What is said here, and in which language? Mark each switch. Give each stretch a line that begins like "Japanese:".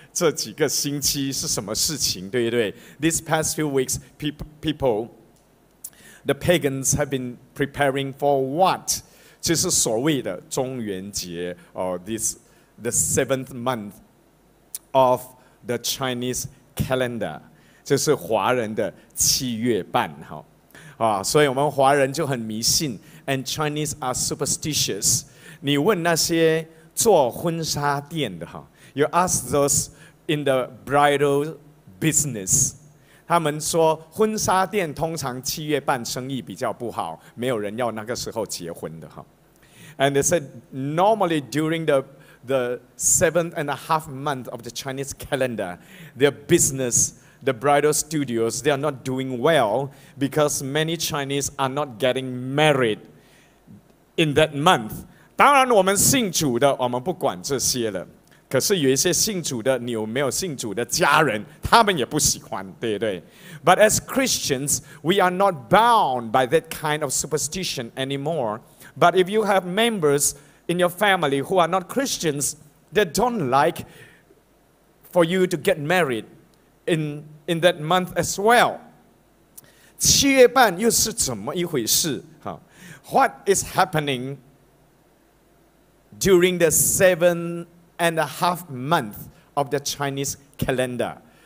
Chinese: 这几个星期是什么事情，对不对？
English: These past few weeks, people, the pagans have been preparing for what?
Chinese: 就是所谓的中元节
English: or this, the seventh month of the Chinese calendar.
Chinese: 就是华人的七月半。所以我们华人就很迷信
English: and Chinese are superstitious.
Chinese: 你问那些做婚纱店的
English: you ask those,in the bridal business.
Chinese: 他们说婚纱店通常七月半生意比较不好，没有人要那个时候结婚的。
English: And they said, normally during the seventh and a half month of the Chinese calendar, their business, the bridal studios, they are not doing well because many Chinese are not getting married in that month.
Chinese: 当然我们信主的，我们不管这些了。可是有一些信主的，你有没有信主的家人，他们也不喜欢，对不对？
English: But as Christians, we are not bound by that kind of superstition anymore. But if you have members in your family who are not Christians, they don't like for you to get married in that month as well.
Chinese: 七月半又是怎么一回事？
English: What is happening during the seven and a half month of the Chinese calendar.